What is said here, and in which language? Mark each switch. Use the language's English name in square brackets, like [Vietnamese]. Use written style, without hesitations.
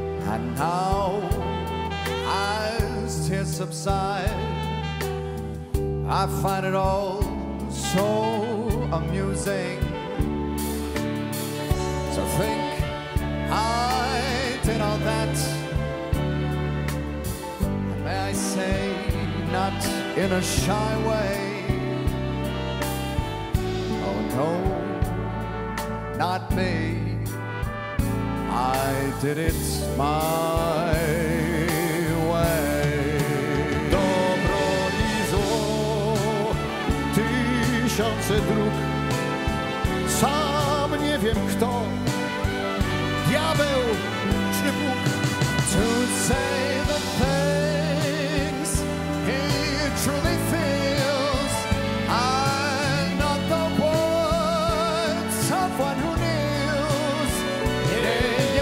[English] And now, as tears subside, I find it all so amusing to think I did all that, and may I say, not in a shy way. Oh no, not me, I did it my way. [Polish] Dobro i zło, tysiące dróg, sam nie wiem kto, diabeł czy Bóg. [English] To say the things he truly feels, and not the words of one who kneels.